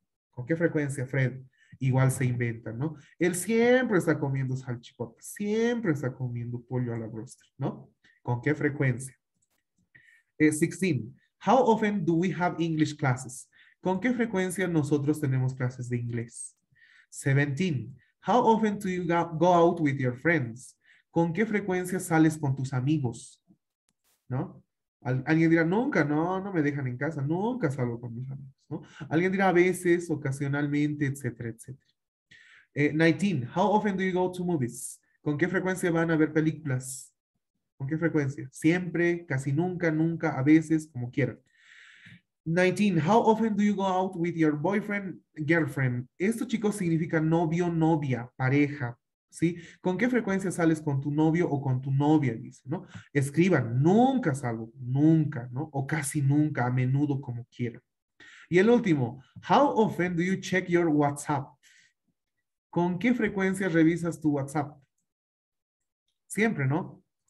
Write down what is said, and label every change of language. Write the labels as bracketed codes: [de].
[es] ¿Con qué frecuencia Fred? Igual se inventa, ¿no? Él siempre está comiendo salchipapas, siempre está comiendo pollo a la broster, ¿no? ¿Con qué frecuencia? 16. [en] How often do we have English classes? [es] ¿Con qué frecuencia nosotros tenemos clases de inglés? 17. [en] How often do you go out with your friends? [es] ¿Con qué frecuencia sales con tus amigos? ¿No? Alguien dirá, nunca, no, no me dejan en casa, nunca salgo con mis amigos, ¿no? Alguien dirá, a veces, ocasionalmente, etcétera, etcétera. 19. [en] How often do you go to movies? [es] ¿Con qué frecuencia van a ver películas? ¿Con qué frecuencia? Siempre, casi nunca, nunca, a veces, como quieran. 19. [en] How often do you go out with your boyfriend, girlfriend? [es] Esto, chicos, significa novio, novia, pareja, ¿sí? ¿Con qué frecuencia sales con tu novio o con tu novia? Dice, ¿no? Escriban, nunca salgo, nunca, ¿no? O casi nunca, a menudo, como quieran. Y el último. [en] How often do you check your WhatsApp? [es] ¿Con qué frecuencia revisas tu WhatsApp? Siempre, ¿no?